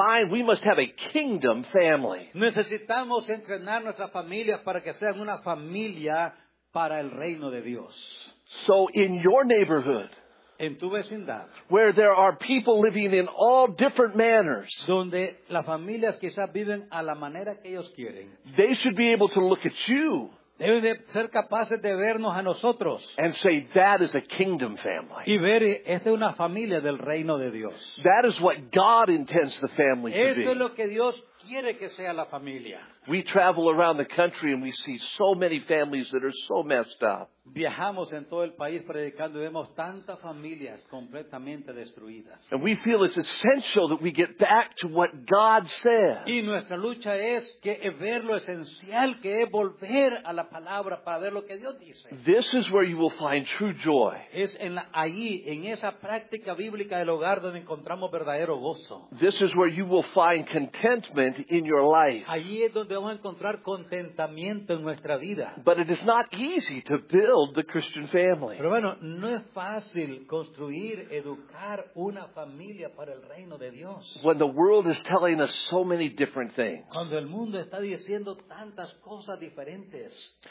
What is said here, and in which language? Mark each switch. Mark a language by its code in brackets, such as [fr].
[en] we must have a kingdom family. [es] Necesitamos entrenar nuestras familias para que sean una familia para el reino de Dios. [en] So in your neighborhood, [es] en tu vecindad, [en] where there are people living in all different manners, [es] donde las familias quizás viven a la manera que ellos quieren, [en] they should be able to look at you, [es] deben de ser capaces de vernos a nosotros, [en] and say that is a kingdom family. [es] Y ver, esta es una familia del reino de Dios. [en] That is what God intends the family [es] esto [en] to be. [es] Es lo que Dios quiere que sea la familia. [en] We travel around the country and we see so many families that are so messed up. [es] Viajamos en todo el país predicando y vemos tantas familias completamente destruidas. [en] And we feel it's essential that we get back to what God says. [es] Y nuestra lucha es que es ver lo esencial que es volver a la palabra para ver lo que Dios dice. [en] This is where you will find true joy. [es] Es en la, ahí, en esa práctica bíblica del hogar donde encontramos verdadero gozo. [en] This is where you will find contentment in your life. [es] Allí es donde vamos a encontrar contentamiento en nuestra vida. [en] But it is not easy to build the Christian family. [es] Pero bueno, no es fácil construir, educar una familia para el reino de Dios. [en] When the world is telling us so many different things. [es] Cuando el mundo está diciendo tantas cosas diferentes.